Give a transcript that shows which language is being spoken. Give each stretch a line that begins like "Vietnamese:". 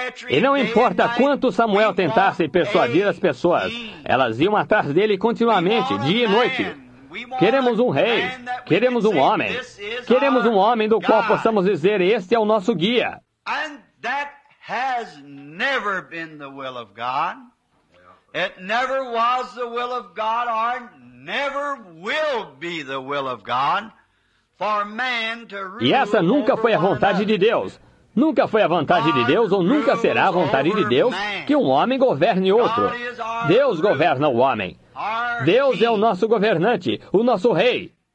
Portuguese: E não importa quanto Samuel tentasse persuadir as pessoas, elas iam atrás dele continuamente, dia e noite. Queremos um rei, queremos um homem do qual possamos dizer, este é o nosso guia.
English: has never been the will of God. It never was the will of God, or never will be the will of God, for man to rule.
Portuguese: E essa nunca foi a vontade de Deus. Nunca foi a vontade de Deus, ou nunca será a vontade de Deus, que um homem governe outro. Deus governa o homem. Deus é o nosso governante, o nosso rei.